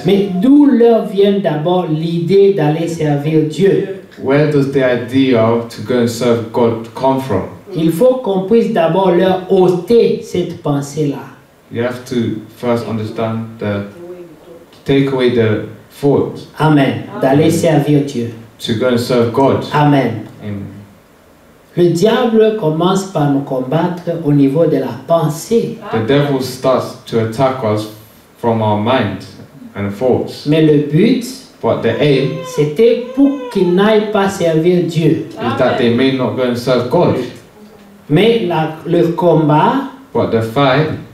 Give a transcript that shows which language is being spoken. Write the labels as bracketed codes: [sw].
[fr] Mais d'où leur vient d'abord l'idée d'aller servir Dieu? [en] Where does the idea to go and serve God come from? [fr] Il faut qu'on puisse d'abord leur ôter cette pensée-là. [en] You have to first understand that take away the thought. [fr] Amen. D'aller servir Dieu. [en] To go and serve God. Amen. Amen. [fr] Le diable commence par nous combattre au niveau de la pensée. [en] The devil starts to attack us from our mind and thoughts. [fr] Mais le but, [en] but the aim, [fr] c'était pour qu'ils n'aillent pas servir Dieu. [en] Is that they may not go and serve God. [fr] Mais le combat, [en] but the fight,